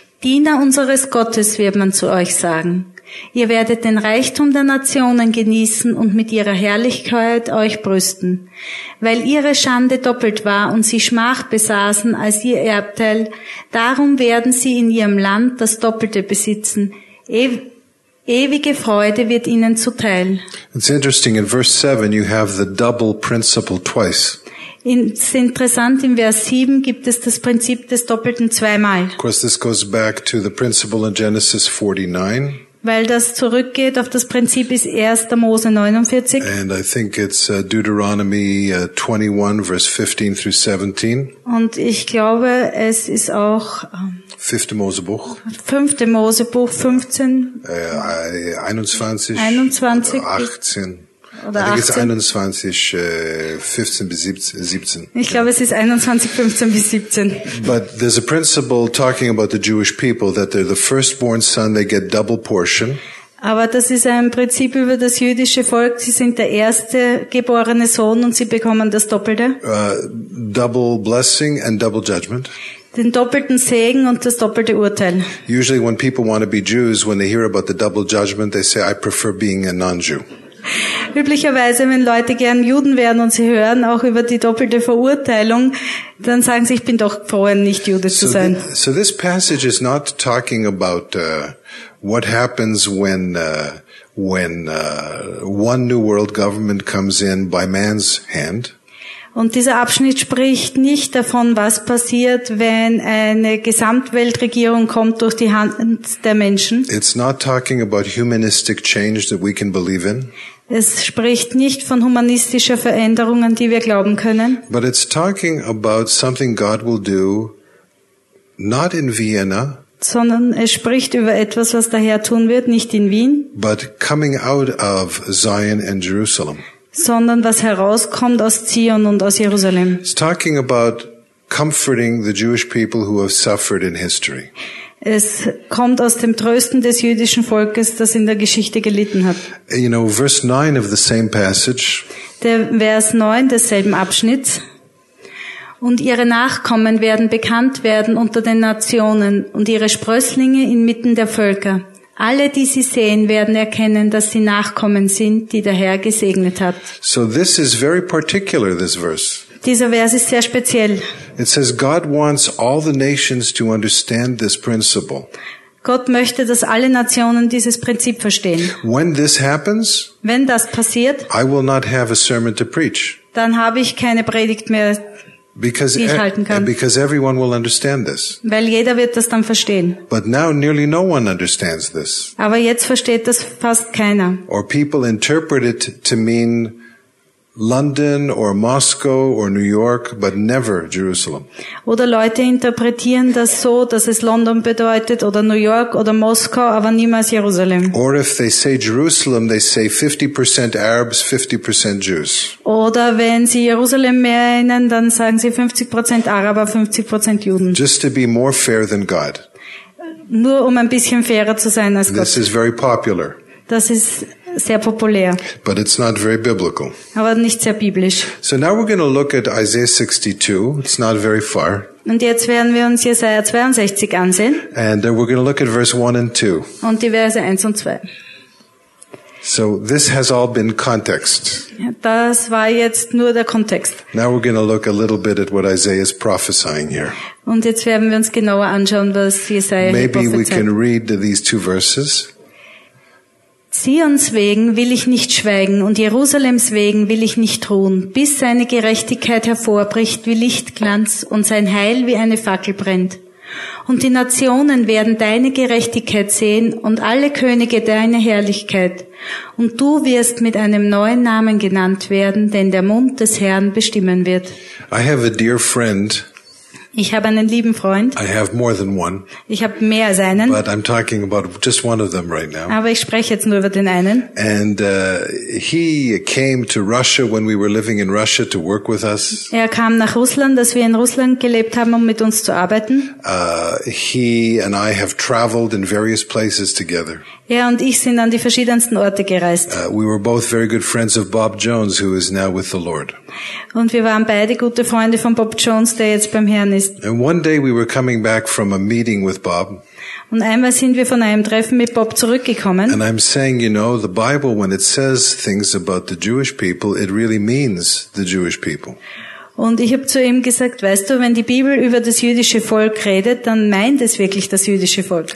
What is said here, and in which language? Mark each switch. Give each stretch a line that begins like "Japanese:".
German: Diener unseres Gottes wird man zu euch sagen. Ihr werdet den Reichtum der Nationen genießen und mit ihrer Herrlichkeit euch brüsten. Weil ihre Schande doppelt war und sie Schmach besaßen als ihr Erbteil, darum werden sie in ihrem Land das Doppelte besitzen. Ewige Freude wird ihnen zuteil.
English: It's interesting, in verse 7 you have the double principle twice.
German: Es ist interessant, in Vers 7 gibt es das Prinzip des Doppelten zweimal.
English: Of course, this goes back to the principle in Genesis 49.
German: Weil das zurückgeht auf das Prinzip ist 1. Mose 49.
English: And I think it's Deuteronomy 21, verse 15 through 17.
German: Und ich glaube, es ist auch 5. Mosebuch 15. 21. 21. 18. oder 18? Ich denke, es ist 21, 15 bis 17. Ich glaube, es ist 21, 15 bis 17.
English: But there's a principle talking about the Jewish people that they're the firstborn son, they get double portion.
German: Aber das ist ein Prinzip über das jüdische Volk. Sie sind der erste geborene Sohn und sie bekommen das Doppelte.
English: Double blessing and double judgment.
German: Den doppelten Segen und das doppelte Urteil.
English: Usually when people want to be Jews, when they hear about the double judgment, they say, I prefer being a non-Jew.
German: Üblicherweise, wenn Leute gern Juden werden und sie hören auch über die doppelte Verurteilung, dann sagen sie, ich bin doch froh, nicht Jude zu sein.
English: So this passage is not talking about what happens when one new world government comes in by man's hand.
German: Und dieser Abschnitt spricht nicht davon, was passiert, wenn eine Gesamtweltregierung kommt durch die Hand der Menschen.
English: It's not talking about humanistic change that we can believe in.
German: Es spricht nicht von humanistischer Veränderung, an die wir glauben können.
English: But it's talking about something God will do, not in Vienna,
German: sondern es spricht über etwas, was der Herr tun wird, nicht in Wien,
English: but coming out of Zion and Jerusalem,
German: sondern was herauskommt aus Zion und aus Jerusalem.
English: It's talking about comforting the Jewish people who have suffered in history.
German: Es kommt aus dem Trösten des jüdischen Volkes, das in der Geschichte gelitten hat.
English: You know, verse 9 of the same passage.
German: Der Vers 9 desselben Abschnitts. Und ihre Nachkommen werden bekannt werden unter den Nationen und ihre Sprösslinge inmitten der Völker. Alle, die sie sehen, werden erkennen, dass sie Nachkommen sind, die der Herr gesegnet hat.
English: So this is very particular, this verse.
German: Dieser Vers ist sehr speziell.
English: It says God wants all the nations to understand this principle.
German: Gott möchte, dass alle Nationen dieses Prinzip verstehen.
English: When this happens,
German: wenn das passiert,
English: I will not have a sermon to preach.
German: Dann habe ich keine Predigt mehr,
English: because,
German: die ich halten kann.
English: Because everyone will understand this.
German: Weil jeder wird das dann verstehen.
English: But now nearly no one understands this.
German: Aber jetzt versteht das fast keiner.
English: Or people interpret it to mean London or Moscow or New York, but never Jerusalem.
German: Oder Leute interpretieren das so, dass es London bedeutet oder New York oder Moskau, aber niemals Jerusalem.
English: Or if they say Jerusalem, they say 50% Arabs, 50% Jews.
German: Oder wenn sie Jerusalem meinen, dann sagen sie 50% Araber, 50% Juden.
English: Just to be more fair than God.
German: Nur um ein bisschen fairer zu sein als Gott.
English: This is very popular.
German: Das ist sehr populär.
English: But it's not very biblical.
German: Aber nicht sehr biblisch.
English: So now we're going to look at Isaiah 62. It's not very far.
German: Und jetzt werden wir uns Jesaja 62 ansehen.
English: And we're going to look at verse 1 and 2.
German: Und die Verse 1 und 2.
English: So this has all been context.
German: Das war jetzt nur der Kontext.
English: Now we're going to look a little bit at what Isaiah is prophesying here.
German: Und jetzt werden wir uns genauer anschauen, was Jesaja hier prophezeit.
English: Maybe we can read these two verses.
German: Zions wegen will ich nicht schweigen und Jerusalems wegen will ich nicht ruhen, bis seine Gerechtigkeit hervorbricht wie Lichtglanz und sein Heil wie eine Fackel brennt. Und die Nationen werden deine Gerechtigkeit sehen und alle Könige deine Herrlichkeit. Und du wirst mit einem neuen Namen genannt werden, den der Mund des Herrn bestimmen wird.
English: I have a dear friend.
German: Ich habe einen lieben Freund.
English: I have more than one.
German: Ich habe mehr als einen.
English: But I'm talking about just one of them right now.
German: Aber ich spreche jetzt nur über den einen.
English: And he came to Russia when we were living in Russia to work with us.
German: Er kam nach Russland, als wir in Russland gelebt haben, um mit uns zu arbeiten.
English: He and I have traveled in various places together.
German: Er und ich sind an die verschiedensten Orte gereist.
English: We were both very good friends of Bob Jones, who is now with the Lord.
German: Und wir waren beide gute Freunde von Bob Jones, der jetzt beim Herrn ist.
English: And one day we were coming back from a meeting with Bob.
German: Und einmal sind wir von einem Treffen mit Bob zurückgekommen.
English: And I'm saying, you know, the Bible, when it says things about the Jewish people, it really means the Jewish people.
German: Und ich habe zu ihm gesagt, weißt du, wenn die Bibel über das jüdische Volk redet, dann meint es wirklich das jüdische Volk.